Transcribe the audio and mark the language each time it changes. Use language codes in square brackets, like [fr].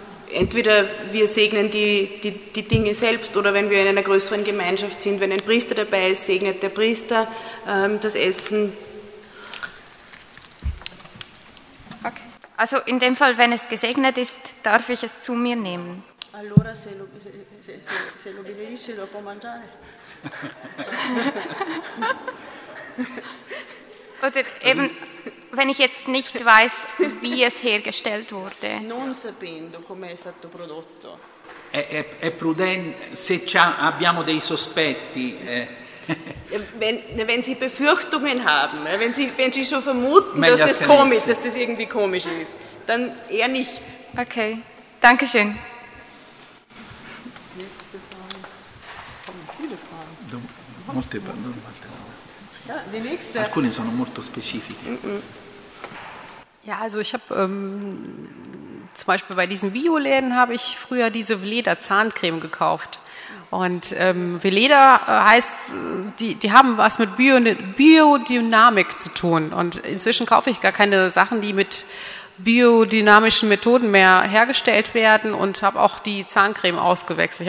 [de] Entweder wir segnen die Dinge selbst oder wenn wir in einer größeren Gemeinschaft sind, wenn ein Priester dabei ist, segnet der Priester das Essen. Okay. Also in dem Fall, wenn es gesegnet ist, darf ich es zu mir nehmen. [it] Allora se lo benedice lo può mangiare. [de] Oder eben, wenn ich jetzt nicht weiß, wie es hergestellt wurde. [it] Non sapendo com'è stato prodotto. È prudente, se abbiamo dei sospetti. [de] Wenn Sie Befürchtungen haben, wenn Sie schon vermuten, dass das irgendwie komisch ist, dann eher nicht. Okay, danke schön. [it] Molte domande. Alcune sono molto specifiche. [de] Ja, also ich habe zum Beispiel bei diesen Bioläden habe ich früher diese Veleda Zahncreme gekauft. Und Veleda heißt, die haben was mit Biodynamik zu tun. Und inzwischen kaufe ich gar keine Sachen, die mit biodynamischen Methoden mehr hergestellt werden und habe auch die Zahncreme ausgewechselt.